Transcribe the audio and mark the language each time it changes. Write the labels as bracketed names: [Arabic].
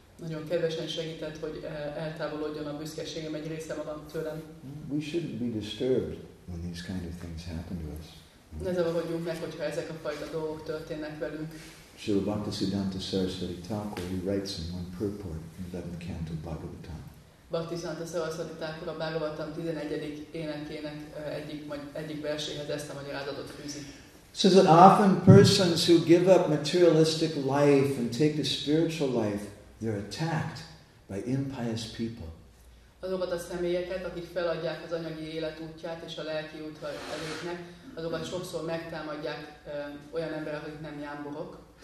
[Hungarian] nagyon kevesen segített, hogy eltávolodjon a büszkeségem, egy része magam tőlem. [English] We shouldn't be disturbed when these kind of things happen to us. [Hungarian] Ne zavarodjunk meg, hogyha ezek a fajta dolgok történnek velünk. [English] Srila Bhaktisiddhanta Sarasvati Thakur, he writes in one purport in the 11th canto of Bhagavatam. [Hungarian] Bhaktisiddhanta Sarasvati Thakur a Bhagavatam 11. énekének egyik verséhez ezt a magyarázatot fűzi. [English] Says that often persons who give up materialistic life and take the spiritual life, they're attacked by impious people. [Hungarian] Azokat a személyeket, akik feladják az anyagi élet útját és a lelki útra elépnek, azokat sokszor megtámadják olyan emberek, akik nem jámborok.